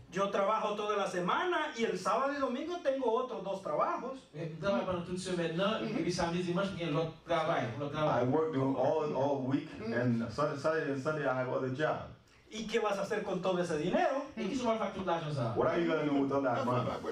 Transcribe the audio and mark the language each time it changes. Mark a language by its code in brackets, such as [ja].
[es] Yo trabajo toda la semana y el sábado y domingo tengo otros dos trabajos. [en] I work all week and Saturday and Sunday I have other job. [es] ¿Y qué vas a hacer con todo ese dinero? [en] What are you going to do with all that money?